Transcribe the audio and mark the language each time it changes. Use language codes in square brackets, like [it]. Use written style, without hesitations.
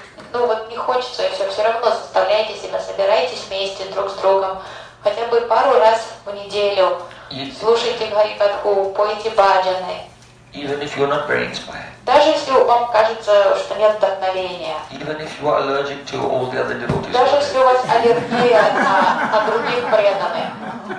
[ru] Ну вот не хочется, и все равно заставляйте себя, собирайтесь вместе друг с другом, хотя бы пару раз в неделю. Слушайте гарикатху, пойте баджаны. [en] Even if you're not very inspired. [ru] Даже если вам кажется, что нет вдохновения. [en] Even if you are allergic to all the other devotees. [ru] Даже если у вас аллергия на других преданных.